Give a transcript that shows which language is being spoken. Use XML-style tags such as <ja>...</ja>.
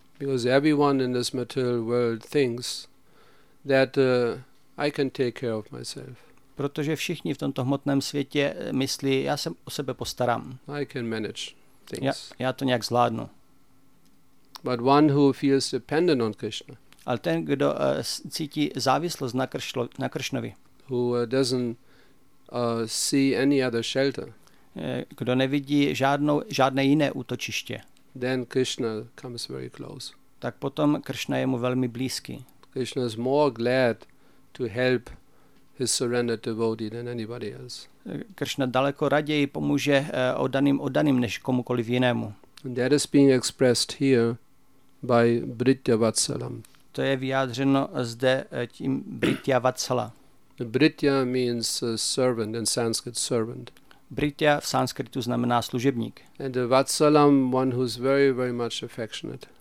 <en>Because everyone in this material world thinks that I can take care of myself.</en> <cs>Protože všichni v tomto hmotném světě myslí, já se o sebe postarám.</cs> <en>I can manage things.</en> <cs>Já to nějak zvládnu.</cs> <en>But one who feels dependent on Krishna.</en> <cs>Ale ten, kdo cítí závislost na Kršnovi.</cs> <en>Who doesn't see any other shelter.</en> <cs>Kdo nevidí žádné jiné útočiště.</cs> <en>Then Krishna comes very close.</en> <cs>Tak potom Kršna je mu velmi blízký.</cs> <en>Krishna is more glad to help his surrendered devotee than anybody else.</en> <cs>Kršna daleko raději pomůže oddaným než komukoliv jinému.</cs> <en>And that is being expressed here by Britya Vatsalam.</en> <cs>To je vyjádřeno zde tím Britya Vatsala.</cs> <en>Britya means servant in Sanskrit, servant.</en> <cs>Britya v sanskritu znamená služebník.</cs> <en>And the Vatsalam, one who is very, very much affectionate.</en>